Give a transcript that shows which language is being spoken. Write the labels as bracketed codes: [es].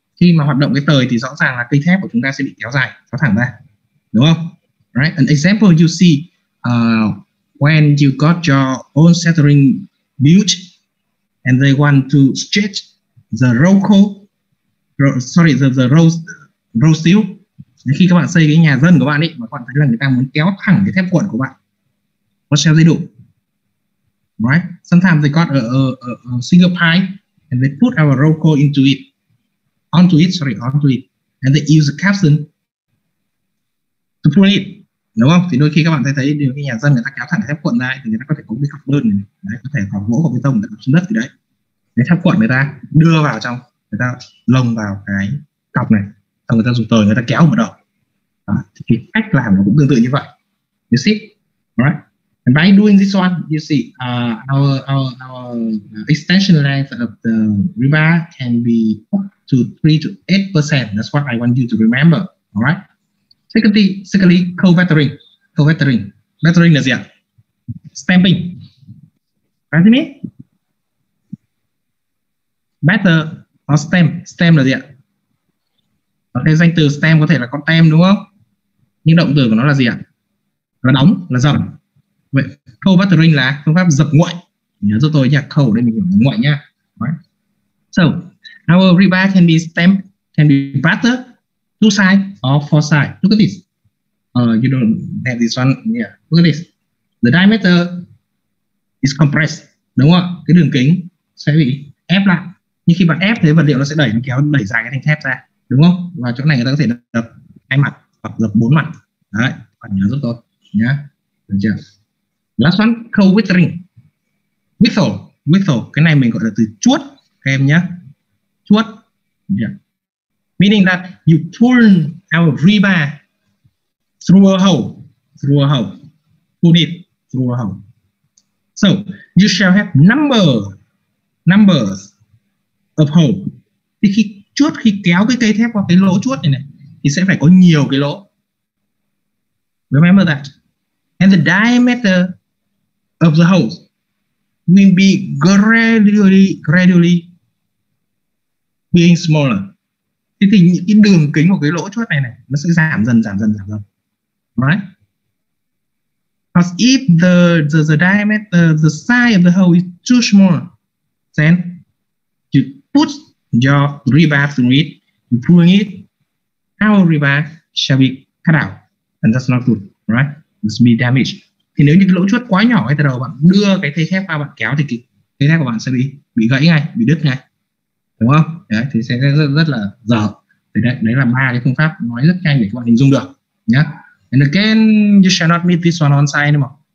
[vi] Khi mà hoạt động cái tời thì rõ ràng là cây thép của chúng ta sẽ bị kéo dài, kéo thẳng ra, đúng không? [en] Right? An example you see, when you got your own shattering built and they want to stretch the raw steel. [vi] Nên khi các bạn xây cái nhà dân của bạn ấy, mà các bạn thấy là người ta muốn kéo thẳng cái thép cuộn của bạn, nó sẽ dễ đủ. [en] Right. Sometimes they got a single pipe and they put our roll coil into it, onto it, and they use a capstan to pull it. [vi] Đúng không? Thì đôi khi các bạn sẽ thấy điều khi nhà dân người ta kéo thẳng thép cuộn ra thì người ta có thể cố bị cọc đơn này, đấy, có thể cọc gỗ hoặc bê tông đặt xuống đất gì đấy. Để thép cuộn người ta đưa vào trong, người ta lồng vào cái cọc này, xong người ta dùng tời người ta kéo một đầu. Đó. Thì cái cách làm nó cũng tương tự như vậy. [en] You see? Right. And by doing this one, you see our extension length of the rebar can be up to 3 to 8%. That's what I want you to remember. All right. Secondly, co-vectoring. [vi] Vectoring là gì ạ? [en] Stamping. What do you mean? Batter or stamp? Stamp [vi] là gì ạ? Okay, danh từ stamp có thể là con tem đúng không? Nhưng động từ của nó là gì ạ? Là đóng, là dập. Vậy co-vectoring là phương pháp dập nguội, nhớ cho tôi nhạc khẩu đây, mình hiểu nguội nhá. [en] So our rebar can be stamped, can be batter two side or four side. Look at this, you don't have this one here. Look at this, the diameter is compressed, [vi] đúng không? Cái đường kính sẽ bị ép lại, nhưng khi bạn ép thế vật liệu nó sẽ đẩy, nó kéo đẩy dài cái thanh thép ra, đúng không? Và chỗ này người ta có thể dập hai mặt hoặc dập bốn mặt đấy, bạn nhớ giúp tôi nhá, được chưa? [en] Last one, co-withering. Withhole, [vi] cái này mình gọi là từ chuốt, các em nhé. Chuốt, yeah. [en] Meaning that you pull our rebar through a hole. Pull it through a hole. So, you shall have numbers ập hổ. [vi] Thì khi chốt, khi kéo cái cây thép qua cái lỗ chốt này này, thì sẽ phải có nhiều cái lỗ. [en] Remember that. And the diameter of the holes will be gradually being smaller. [vi] Thế thì những cái đường kính của cái lỗ chốt này này, nó sẽ giảm dần. [en] Right? Because if the diameter, the size of the hole is too small, then you put your rebar through it, you pull it, our rebar shall be cut out, and that's not good, right? It's be damaged. [vi] Thì nếu như cái lỗ chốt quá nhỏ ngay từ đầu, bạn đưa cái thế thép qua, bạn kéo thì cái thép của bạn sẽ bị gãy ngay, bị đứt ngay, đúng không? Đấy, thì sẽ rất là dở. Thì đấy là ba cái phương pháp nói rất nhanh để các bạn hình dung được, nhá. [en] And again, you shall not meet this one on site anymore.